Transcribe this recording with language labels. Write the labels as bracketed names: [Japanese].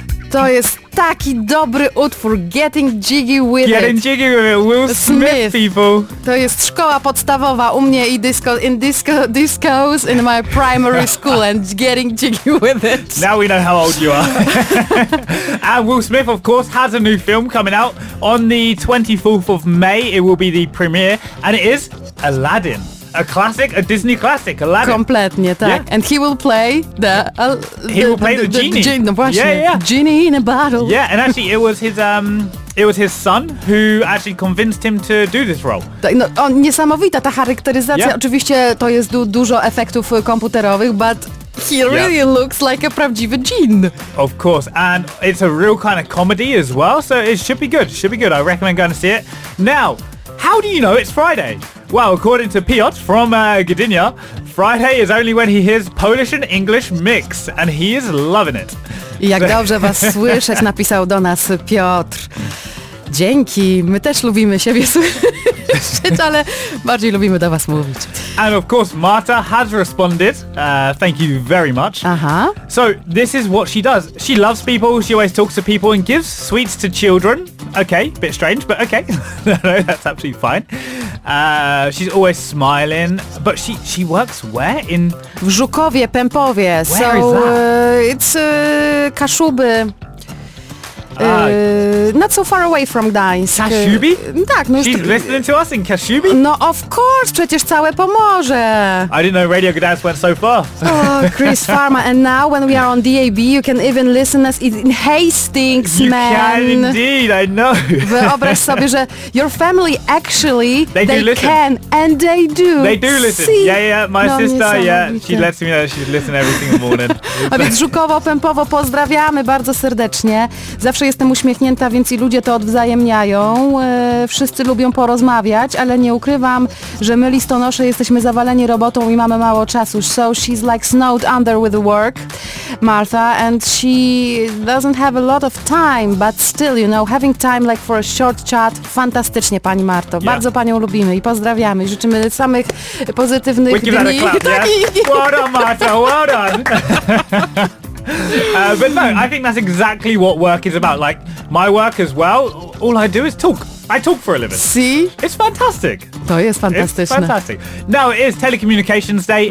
[Polish] to jest taki dobry utwór, Getting Jiggy With [English] It. Getting Jiggy With It, Will Smith, people. [Polish] To jest szkoła podstawowa u mnie i disco, [English] in disco, discos in my primary school and [Polish] Getting Jiggy With It. [English] Now we know how old you are. And Will Smith, of course, has a new film coming out on the 24th of May. It will be the premiere and it is Aladdin. A classic, a Disney classic, Aladdin. Completely, tak. Yeah. And he will play the... He will play the genie. Genie in a bottle. Yeah, and actually it was his... It was his son who actually convinced him to do this role. [Polish] No, on, niesamowita ta charakteryzacja. Yeah. Oczywiście to jest dużo efektów komputerowych, [English] but he really looks like a [Polish] prawdziwy genie. [English] Of course, and it's a real kind of comedy as well, so it should be good. Should be good. I recommend going to see it. Now, how do you know it's Friday? Well, according to Piotr from Gdynia, Friday is only when he hears Polish and English mix, and he is loving it. [Polish] Jak dobrze was słyszeć, napisał do nas Piotr. Dzięki, my też lubimy siebie słyszeć, ale bardziej lubimy do was mówić. [English] And of course, Marta has responded. Thank you very much. Uh-huh. So, this is what she does. She loves people, she always talks to people and gives sweets to children. Okay, bit strange, but okay. No, that's absolutely fine. She's always smiling, but she works where? In [Polish] w Żukowie, Pępowie. [English] so, is that? It's Kaszuby. Not so far away from Gdańsk. [Polish] Kaszubi? Tak, no [English] she's listening to us in Kaszubi? [Polish] No of course, przecież całe Pomorze. [English] I didn't know Radio Gdańsk went so far. Oh, Chris Farmer, and now when we are on DAB, you can even listen us in Hastings, you man. You can indeed, I know. [Polish] Wyobraź sobie, że [English] your family actually, they do listen. They do listen. See? Yeah, my sister, yeah, she lets me know she listens every single morning. [Polish] A więc Żukowo, Pępowo, pozdrawiamy bardzo serdecznie. Zawsze jestem uśmiechnięta, więc i ludzie to odwzajemniają. Wszyscy lubią porozmawiać, ale nie ukrywam, że my listonosze jesteśmy zawaleni robotą i mamy mało czasu. [English] So she's like snowed under with work, Martha, and she doesn't have a lot of time, but still, you know, having time like for a short chat, [Polish] fantastycznie pani Marto. [English] Yeah. [Polish] Bardzo panią lubimy i pozdrawiamy. Życzymy samych pozytywnych dni. [English] Well done, Martha, well done. But no, I think that's exactly what work is about. Like, my work as well, all I do is talk. I talk for a living. See? It's fantastic. [Polish] To jest fantastyczne. [English] It's fantastic. Now, it is Telecommunications Day.